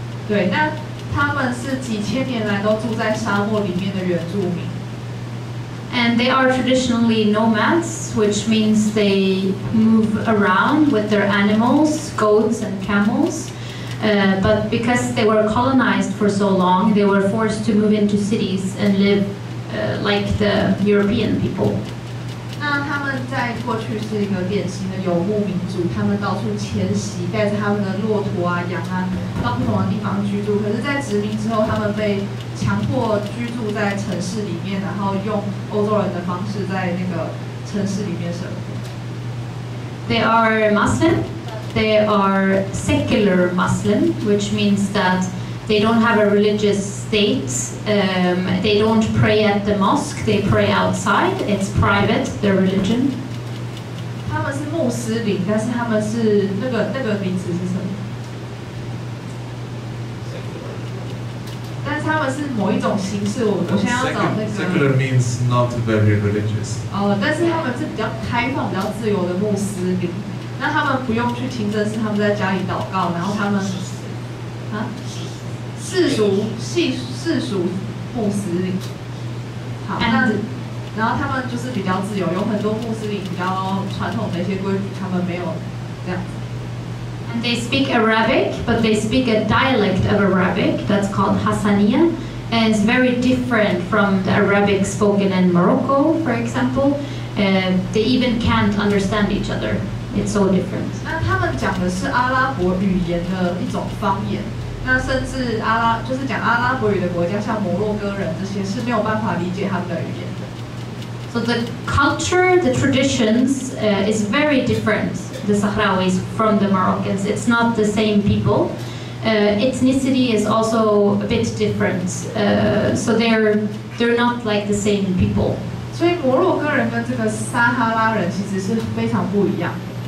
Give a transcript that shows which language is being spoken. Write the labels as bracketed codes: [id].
[zh] 对，那他们是几千年来都住在沙漠里面的原住民。 [en] And they are traditionally nomads, which means they move around with their animals, goats and camels. But because they were colonized for so long, they were forced to move into cities and live like the European people. [zh] 那他们在过去是一个典型的游牧民族，他们到处迁徙，带着他们的骆驼啊、羊啊，到不同的地方居住。可是，在殖民之后，他们被强迫居住在城市里面，然后用欧洲人的方式在那个城市里面生活。 [en] They are Muslim. They are secular Muslim, which means that they don't have a religious state. They don't pray at the mosque. They pray outside. It's private. Their religion. [zh] 他们是穆斯林，但是他们是那个名词是什么？他们是某一种形式，我现在要找那个。 [en] Secular means not very religious. [zh] 哦，但是他们是比较开放、比较自由的穆斯林。那他们不用去清真寺，他们在家里祷告，然后他们啊，世俗穆斯林。好，那然后他们就是比较自由，有很多穆斯林比较传统的一些规矩，他们没有这样。 [en] And they speak Arabic, but they speak a dialect of Arabic that's called Hassaniya, and it's very different from the Arabic spoken in Morocco, for example. They even can't understand each other. It's so different. [zh] 那他们讲的是阿拉伯语言的一种方言，那甚至就是讲阿拉伯语的国家，像摩洛哥人这些是没有办法理解他们的语言的。 [en] So the culture, the traditions, is very different. The Sahrawis from the Moroccans. It's not the same people. Ethnicity is also a bit different. So they're not like the same people. So Moroccan and the Sahara people are very different.